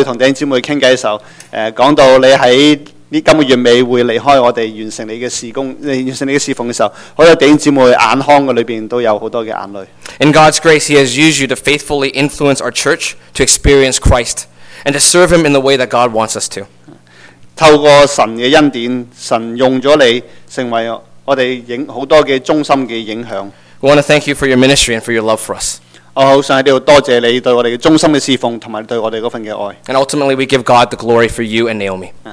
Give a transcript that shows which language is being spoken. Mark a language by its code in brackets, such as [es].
[zh] 很多時候,當我去跟弟兄姊妹聊天的時候,講到你在 這今個月尾會離開我們完成你的事工,完成你的事奉的時候,很多弟兄姊妹眼眶裡面都有很多的眼淚。 [en] In God's grace, He has used you to faithfully influence our church to experience Christ and to serve Him in the way that God wants us to. [zh] 透過神的恩典,神用了你成為我們很多的中心的影響。 [en] We want to thank you for your ministry and for your love for us. [zh] 我很想在這裡多謝你對我們忠心的侍奉和對我們那份的愛 [en] And ultimately we give God the glory for you and Naomi